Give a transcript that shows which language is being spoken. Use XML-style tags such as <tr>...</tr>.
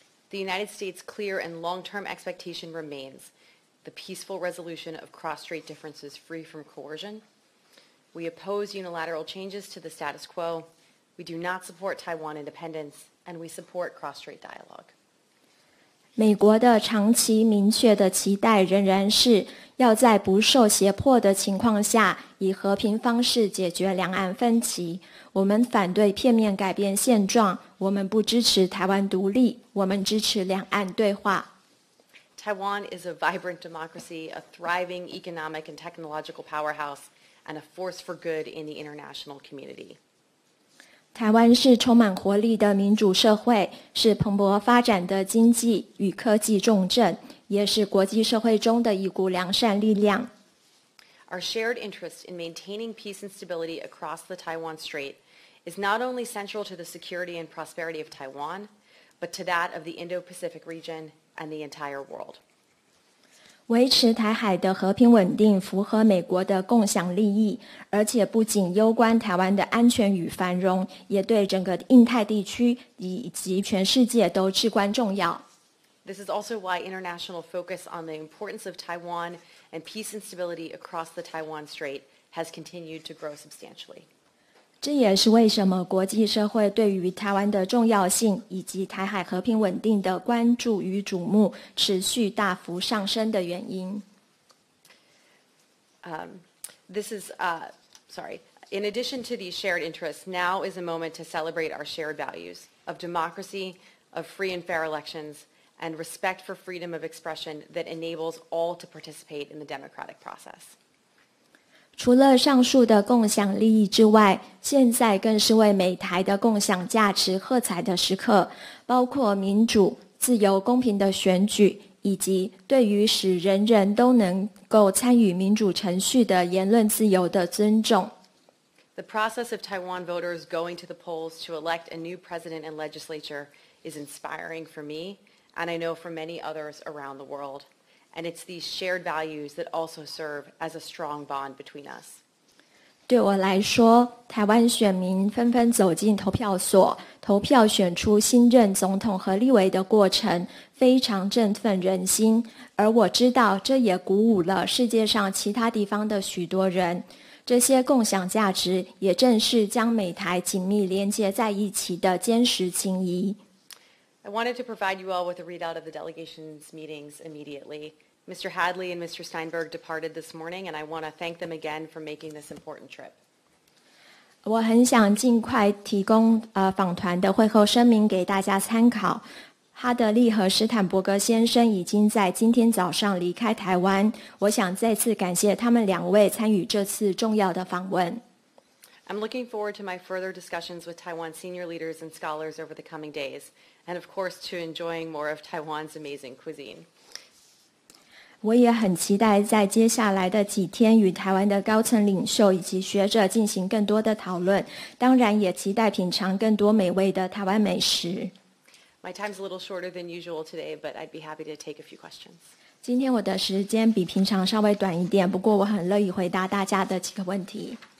<en>The United States' clear and long-term expectation remains the peaceful resolution of cross-strait differences free from coercion. We oppose unilateral changes to the status quo. We do not support Taiwan independence, and we support cross-strait dialogue.</en> <zh>美国的长期明确的期待仍然是要在不受胁迫的情况下以和平方式解决两岸分歧。我们反对片面改变现状，我们不支持台湾独立，我们支持两岸对话。</zh> <en>Taiwan is a vibrant democracy, a thriving economic and technological powerhouse, and a force for good in the international community.</en> <zh>台湾是充满活力的民主社会，是蓬勃发展的经济与科技重镇，也是国际社会中的一股良善力量。</zh> <en>Our shared interest in maintaining peace and stability across the Taiwan Strait is not only central to the security and prosperity of Taiwan, but to that of the Indo-Pacific region and the entire world.</en> <zh>维持台海的和平稳定符合美国的共享利益，而且不仅攸关台湾的安全与繁荣，也对整个印太地区以及全世界都至关重要。</zh> <en>This is also why international focus on the importance of Taiwan and peace and stability across the Taiwan Strait has continued to grow substantially.</en> <zh>这也是为什么国际社会对于台湾的重要性以及台海和平稳定的关注与瞩目持续大幅上升的原因。</zh> <en>In addition to these shared interests, now is a moment to celebrate our shared values of democracy, of free and fair elections,and respect for freedom of expression that enables all to participate in the democratic process.</en> <zh>除了上述的共享利益之外，现在更是为美台的共享价值喝彩的时刻，包括民主、自由、公平的选举，以及对于使人人都能够参与民主程序的言论自由的尊重。</zh> <en>The process of Taiwan voters going to the polls to elect a new president and legislature is inspiring for me. And I know for many others around the world. And it's these shared values that also serve as a strong bond between us.</en> <zh>对我来说，台湾选民纷纷走进投票所，投票选出新任总统和立委的过程，非常振奋人心。而我知道，这也鼓舞了世界上其他地方的许多人。这些共享价值也正是将美台紧密连接在一起的坚实情谊。</zh> <en>I wanted to provide you all with a readout of the delegation's meetings immediately. Mr. Hadley and Mr. Steinberg departed this morning, and I want to thank them again for making this important trip.</en> <zh>我很想尽快提供访团的会后声明给大家参考。哈德利和斯坦伯格先生已经在今天早上离开台湾。我想再次感谢他们两位参与这次重要的访问。</zh> <en>I'm looking forward to my further discussions with Taiwan senior leaders and scholars over the coming days, and of course to enjoying more of Taiwan's amazing cuisine.</en> <zh>我也很期待在接下来的几天与台湾的高层领袖以及学者进行更多的讨论，当然也期待品尝更多美味的台湾美食。</zh> <en>My time's a little shorter than usual today, but I'd be happy to take a few questions.</en> <zh>今天我的时间比平常稍微短一点，不过我很乐意回答大家的几个问题。</zh>